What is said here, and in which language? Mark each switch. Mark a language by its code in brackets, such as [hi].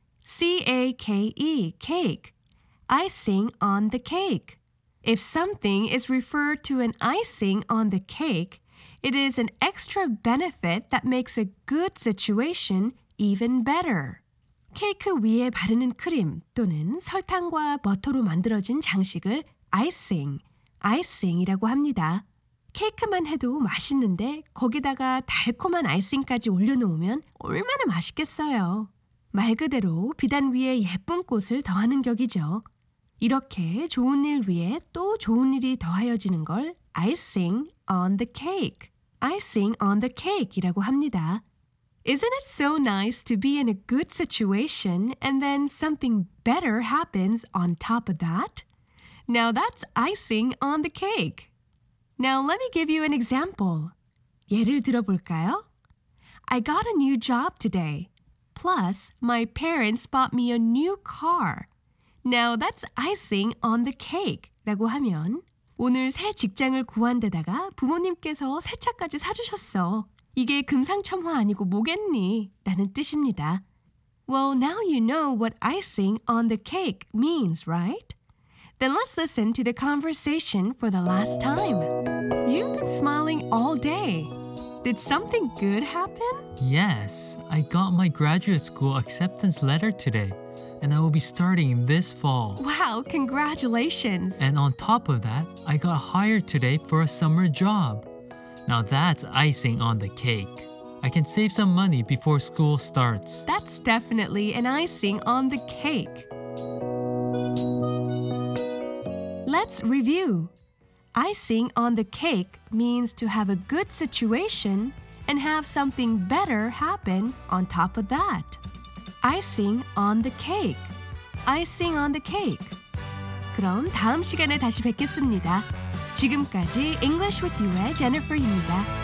[en] C-A-K-E, cake, icing on the cake. If something is referred to an icing on the cake, it is an extra benefit that makes a good situation even better. [ko] 케이크 위에 바르는 크림 또는 설탕과 버터로 만들어진 장식을 [en] icing, icing [ko] 이라고 합니다. 케이크만 해도 맛있는데 거기다가 달콤한 아이싱까지 올려놓으면 얼마나 맛있겠어요. 말 그대로 비단 위에 예쁜 꽃을 더하는 격이죠. 이렇게 좋은 일 위에 또 좋은 일이 더하여지는 걸 [en] icing on the cake. Icing on the cake [ko] 이라고 합니다. [en] Isn't it so nice to be in a good situation and then something better happens on top of that? Now that's icing on the cake. Now, let me give you an example. [ko] 예를 들어볼까요? [en] I got a new job today. Plus, my parents bought me a new car. Now, that's icing on the cake. [ko] 라고 하면, 오늘 새 직장을 구한 데다가 부모님께서 새 차까지 사주셨어. 이게 금상첨화 아니고 뭐겠니? 라는 뜻입니다. [en] Well, now you know what icing on the cake means, right? Then let's listen to the conversation for the last time. You've been smiling all day. Did something good happen? Yes, I got my graduate school acceptance letter today, and I will be starting this fall. Wow, congratulations! And on top of that, I got hired today for a summer job. Now that's icing on the cake. I can save some money before school starts. That's definitely an icing on the cake. Let's review. Icing on the cake means to have a good situation and have something better happen on top of that. Icing on the cake. Icing on the cake. [ko] 그럼 다음 시간에 다시 뵙겠습니다. 지금까지 English with You의 Jennifer입니다.